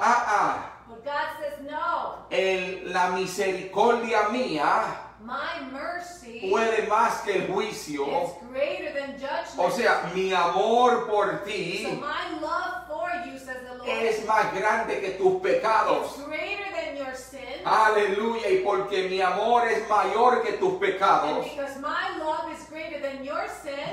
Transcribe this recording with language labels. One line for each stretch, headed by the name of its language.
English: But God says no.
Spanish: La misericordia mía.
English: My mercy.
Spanish: Puede más que el juicio.
English: It's greater than judgment.
Spanish: O sea, mi amor por ti.
English: So my love for you, says the Lord.
Spanish: Es más grande que tus pecados.
English: It's greater.
Spanish: Aleluya, y porque mi amor es mayor que tus pecados.
English: And because my love is greater than your sin.